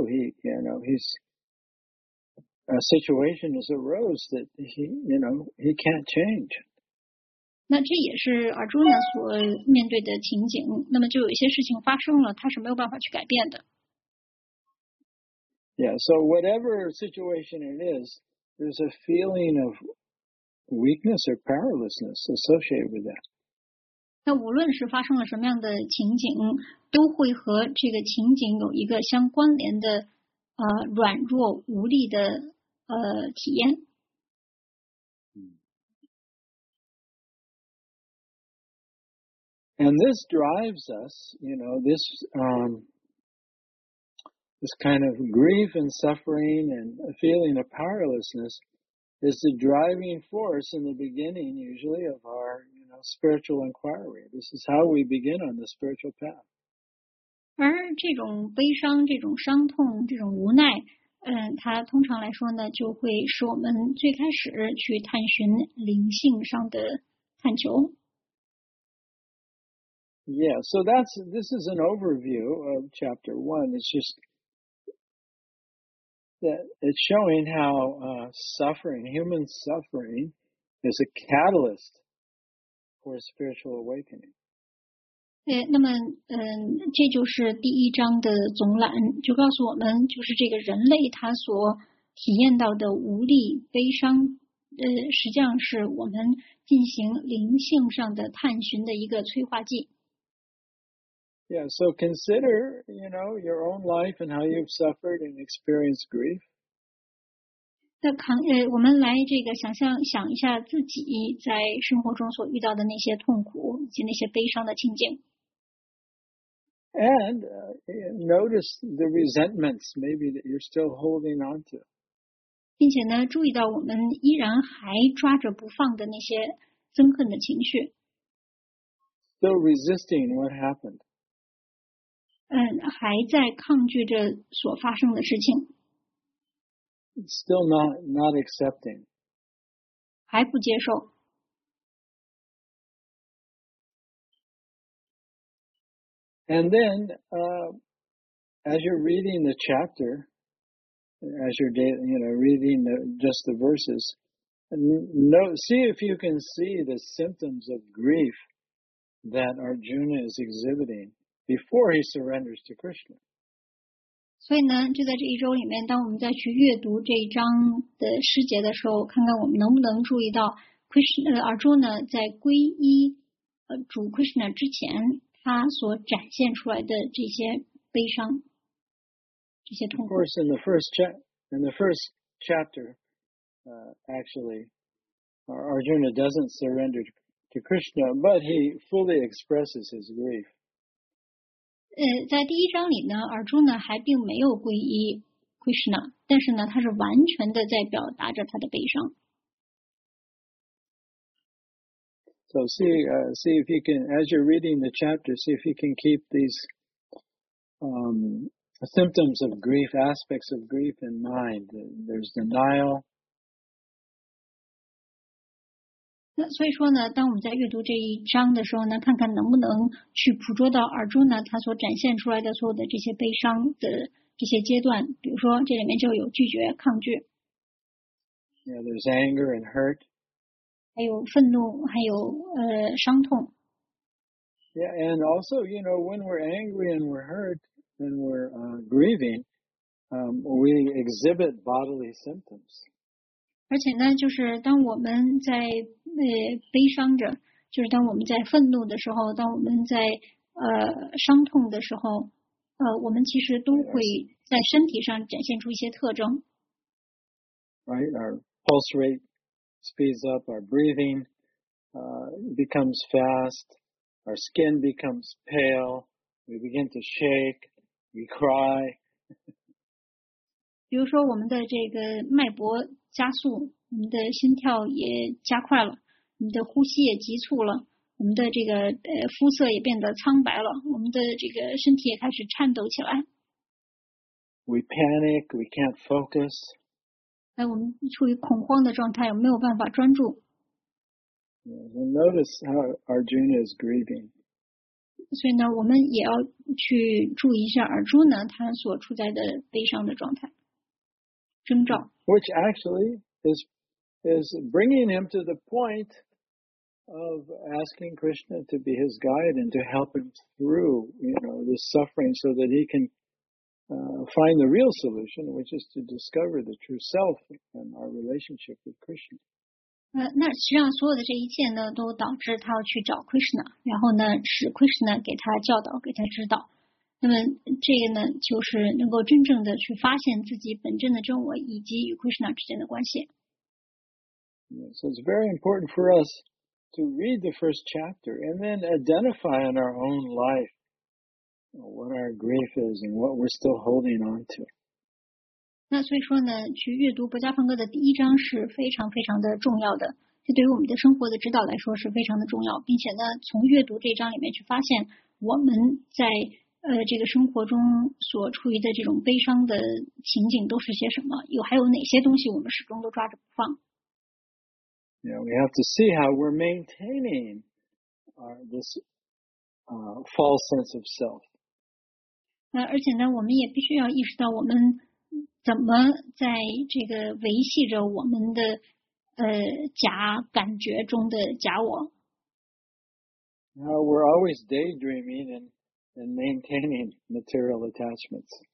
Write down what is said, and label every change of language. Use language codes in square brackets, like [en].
[en] A situation has arose that he can't change. [zh] 那这也是 Arjuna 所面对的情景。那么就有一些事情发生了，他是没有办法去改变的。 [en] Yeah. So whatever situation it is, there's a feeling of weakness or powerlessness associated with that. [zh] 那无论是发生了什么样的情景，都会和这个情景有一个相关联的软弱无力的。体验。 [en] And this drives us, you know, this kind of grief and suffering and a feeling of powerlessness is the driving force in the beginning, usually, of our, you know, spiritual inquiry. This is how we begin on the spiritual path. [zh] 而这种悲伤、这种伤痛、这种无奈。它通常来说呢，就会使我们最开始去探寻灵性上的探求。 [en] Yeah, so this is an overview of chapter one. It's just that it's showing how human suffering is a catalyst for spiritual awakening. [zh] 那么这就是第一章的总览，就告诉我们，就是这个人类他所体验到的无力、悲伤，实际上是我们进行灵性上的探寻的一个催化剂。 [en] Yeah, so consider, you know, your own life and how you've suffered and experienced grief. [zh] 我们来这个想一下自己在生活中所遇到的那些痛苦以及那些悲伤的情景。 [en] And notice the resentments maybe that you're still holding on to. [zh] 并且呢，注意到我们依然还抓着不放的那些憎恨的情绪。 [en] Still resisting what happened. [zh] 还在抗拒着所发生的事情。 [en] Still not accepting. [zh] 还不接受。 [en] And then, as you're reading the chapter, reading just the verses, see if you can see the symptoms of grief that Arjuna is exhibiting before he surrenders to Krishna. [zh] 所以呢，就在这一周里面，当我们再去阅读这一章的诗节的时候，看看我们能不能注意到 Arjuna 在皈依主 Krishna 之前。他所展现出来的这些悲伤，这些痛苦。 [en] Of course, in the first chapter, Arjuna doesn't surrender to Krishna, but he fully expresses his grief. [zh] 在第一章里呢，阿朱呢还并没有皈依 Krishna， 但是呢，他是完全的在表达着他的悲伤。 [en] So see if you can, as you're reading the chapter, see if you can keep these symptoms of grief, aspects of grief in mind. There's denial. [zh] 那所以说呢，当我们在阅读这一章的时候呢，看看能不能去捕捉到Arjuna他所展现出来的所有的这些悲伤的这些阶段，比如说这里面就有拒绝、抗拒。 [en] Yeah, there's anger and hurt. [zh] 还有愤怒，还有伤痛。 [en] Yeah, and also, you know, when we're angry and we're hurt and we're grieving, we exhibit bodily symptoms. [zh] 而且呢，就是当我们在悲伤着，就是当我们在愤怒的时候，当我们在伤痛的时候，我们其实都会在身体上展现出一些特征。 [en] Right, our pulse rate. Speeds up, our breathing becomes fast, our skin becomes pale, we begin to shake, we cry. [zh] 比如说我们的这个脉搏加速，我们的心跳也加快了，我们的呼吸也急促了，我们的这个肤色也变得苍白了，我们的这个身体也开始颤抖起来。 [en] We panic, we can't focus. [zh] 哎，我们处于恐慌的状态，没有办法专注。 [en] Notice how Arjuna is grieving. [zh] 所以呢，我们也要去注意一下 Arjuna 他所处在的悲伤的状态，征兆。 [en] Which actually is bringing him to the point of asking Krishna to be his guide and to help him through, you know, this suffering so that he can find the real solution, which is to discover the true self and our relationship with Krishna. [zh] 那实际上所有的这一切呢，都导致他要去找 Krishna， 然后呢，使 Krishna 给他教导，给他指导。那么这个呢，就是能够真正的去发现自己本真的真我以及与 Krishna 之间的关系。 [en] So it's very important for us to read the first chapter and then identify in our own life what our grief is and what we're still holding on to. [zh] 那所以说呢，去阅读博迦梵歌的第一章是非常非常的重要的，这对于我们的生活的指导来说是非常的重要，并且呢，从阅读这章里面去发现我们在这个生活中所处于的这种悲伤的情景都是些什么，有还有哪些东西我们始终都抓着不放。 [en] Yeah, we have to see how we're maintaining this false sense of self. [zh] 而且呢，我们也必须要意识到我们怎么在这个维系着我们的假感觉中的假我。 [en] Now we're always daydreaming and maintaining material attachments.